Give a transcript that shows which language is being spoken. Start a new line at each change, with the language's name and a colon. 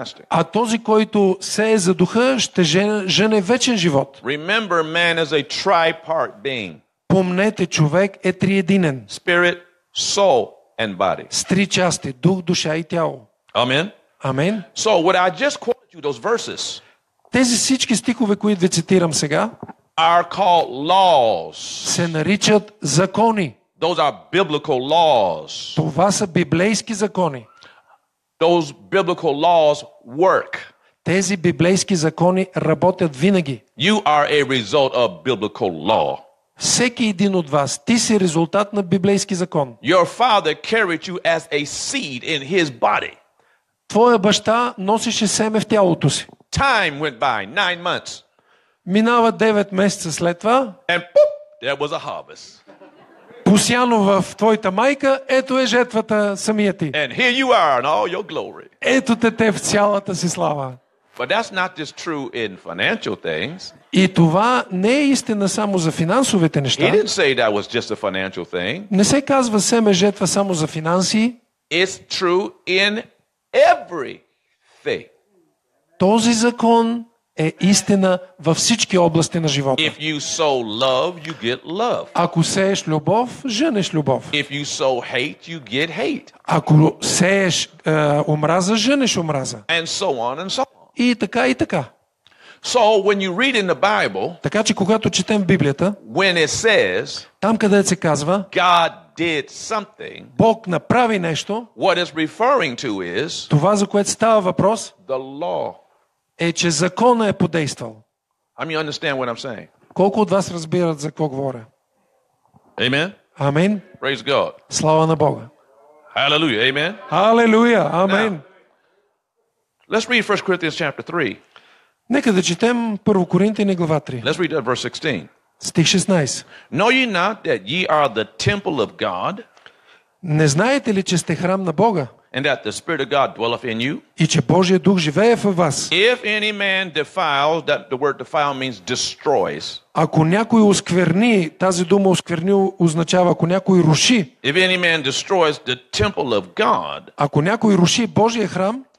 Bulgarian: А този, който сее за духа, ще жене вечен живот.
English: Remember, man is a tripart being.
Bulgarian: Помнете, човек е триединен.
English: Spirit, soul, and body.
Bulgarian: С три части, дух, душа и тяло.
English: Amen. Amen. So what I just quoted you those verses.
Bulgarian: Тези всички стихове, които ви цитирам сега,
English: are called laws.
Bulgarian: Се наричат закони.
English: Those are biblical laws.
Bulgarian: Това са библейски закони.
English: Those biblical laws work.
Bulgarian: Тези библейски закони работят винаги.
English: You are a result of biblical law.
Bulgarian: Всеки един от вас, ти си резултат на библейски закон.
English: Your father carried you as a seed in his body.
Bulgarian: Твоя баща носеше семе в тялото си.
English: Time went by, 9 months.
Bulgarian: Минава 9 месеца след това.
English: And poof, there was a harvest.
Bulgarian: Посяно в твоята майка, ето е жетвата самия ти.
English: And here you are in all your glory.
Bulgarian: Ето те в цялата си слава.
English: But that's not just true in financial things.
Bulgarian: И това не е истина само за финансовите неща.
English: He didn't say that was just a financial thing.
Bulgarian: Не се казва семе жетва само за финанси.
English: It's true in everything.
Bulgarian: Този закон е истина във всички области на живота.
English: If you sow love, you get love.
Bulgarian: Ако сееш любов, женеш любов.
English: If you sow hate, you get hate.
Bulgarian: Ако сееш омраза, женеш омраза.
English: And so on and so on.
Bulgarian: И така и така.
English: So when you read in the Bible,
Bulgarian: така че когато четем в Библията,
English: when it says,
Bulgarian: там където се казва,
English: God did something,
Bulgarian: Бог направи нещо,
English: what is referring to is,
Bulgarian: това за което става въпрос,
English: the law.
Bulgarian: Е, че законът е подействал.
English: I mean, understand what I'm saying.
Bulgarian: Колко от вас разбират за какво говоря?
English: Amen.
Bulgarian: Амин.
English: Praise God.
Bulgarian: Слава на Бога.
English: Hallelujah. Amen. Hallelujah. Amen. Now, let's read 1 Corinthians chapter 3.
Bulgarian: Нека да четем 1 Коринтяни глава 3.
English: Let's read that verse 16.
Bulgarian: Стих 16.
English: Know ye not that ye are the temple of God?
Bulgarian: Не знаете ли, че сте храм на Бога?
English: And that the Spirit of God dwelleth in you.
Bulgarian: И че Божия дух живее в вас.
English: If any man defiles, that the word defile means destroys.
Bulgarian: Ако някой оскверни, тази дума осквернил означава, ако някой руши.
English: If any man destroys the temple of God.
Bulgarian: Ако някой руши Божия храм.